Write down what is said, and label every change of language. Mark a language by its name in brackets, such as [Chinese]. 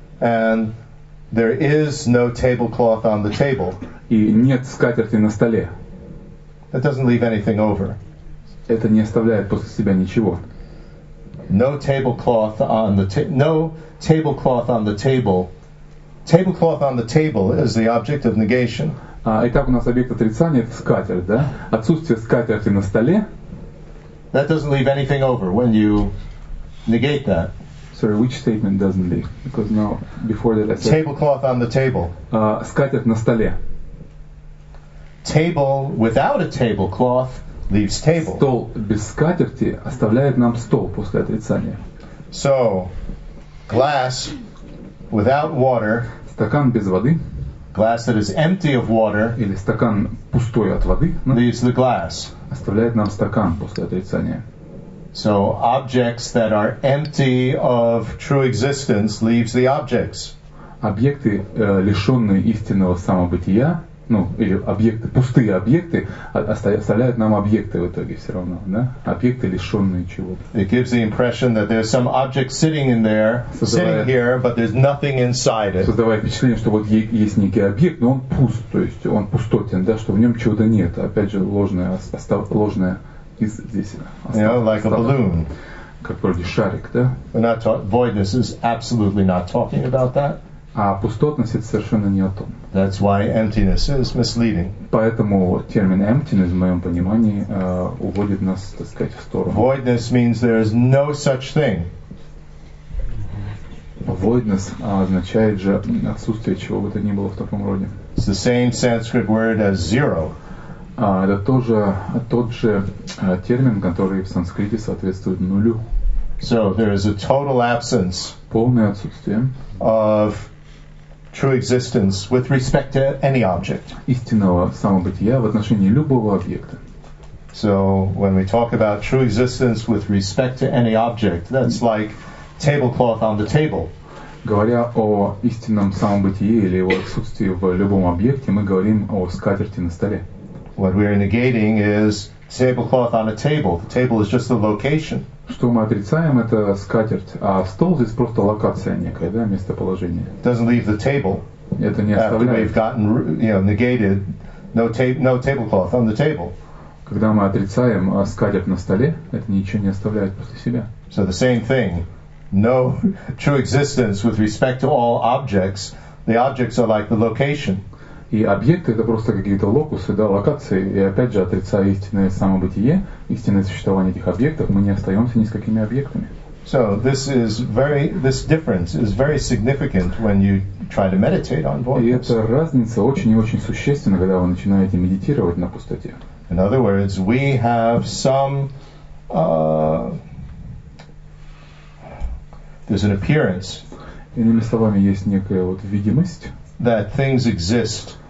[English] And there is no tablecloth on the table. [Russian] И нет скатерти на столе. [English] That doesn't leave anything over. [Russian] Это не оставляет после себя ничего. [English] No tablecloth on the table. Tablecloth on the table is the object of negation. [Russian] Итак, у нас объект отрицания это скатерть, да? Отсутствие скатерти на столе. [English] That doesn't leave anything over when you negate that. Sorry, which statement doesn't leave? Because now, before that, I said tablecloth on the table. [Russian] Скатерть на столе. [English] Table without a tablecloth leaves table. [Russian] Стол без скатерти оставляет нам стол после отрицания. [English] So, glass. Without water, [Russian] стакан без воды, [English] glass that is empty of water, [Russian] или стакан пустой от воды, [English] leaves the glass. [Russian] Оставляет нам стакан после отрицания. [English] So objects that are empty of true existence leaves the objects. [Russian] Объекты, лишенные истинного самобытия, ну, или объекты, пустые объекты, оставляют нам объекты в итоге все равно, да? Объекты, лишенные чего-то. [English] It gives the impression that there's some object sitting in there, sitting here, but there's nothing inside it. [Russian] Создавая впечатление, что вот есть некий объект, но он пуст, то есть он пустотен, да, что в нем чего-то нет. Опять же, ложное из здесь. [English] Like a balloon. [Russian] Как вроде шарик, да? [English] Voidness is absolutely not talking about that. [Russian] А пустотность это совершенно не о том. [English] That's why emptiness is misleading. [Russian] Поэтому термин emptiness в моем понимании уводит нас, так сказать, в сторону. [English] Voidness means there is no such thing. [Russian] Voidness означает же отсутствие чего бы то ни было в таком роде. [English] It's the same Sanskrit word as zero. [Russian] Это тоже тот же термин, который в санскрите соответствует нулю. [English] So there is a total absence. [Russian] Полное отсутствие. [English] Of true existence with respect to any object. [Russian] Истинного самобытия в отношении любого объекта. [English] So when we talk about true existence with respect to any object, that's like tablecloth on the table. [Russian] Говоря о истинном самобытии или его отсутствии в любом объекте, мы говорим о скатерти на столе. [English] What we are negating is tablecloth on a table. The table is just the location. [Russian] Что мы отрицаем, это скатерть. А стол здесь просто локация некая, да, местоположение. [English] Doesn't leave the table. [Russian] Это не оставляет. [English] After we've gotten, you know, negated, no tablecloth on the table. [Russian] Когда мы отрицаем скатерть на столе, это ничего не оставляет после себя. [English] So the same thing. No true existence with respect to all objects. The objects are like the location. [Russian] И объекты — это просто какие-то локусы, да, локации. И опять же, отрицая истинное самобытие, истинное существование этих объектов, мы не остаемся ни с какими объектами. [English] So this difference is very significant when you try to meditate on voidness. [Russian] И эта разница очень и очень существенна, когда вы начинаете медитировать на пустоте. [English] In other words, we have some there's an appearance. [Russian] Иными словами, есть некая вот видимость. [English] That things exist.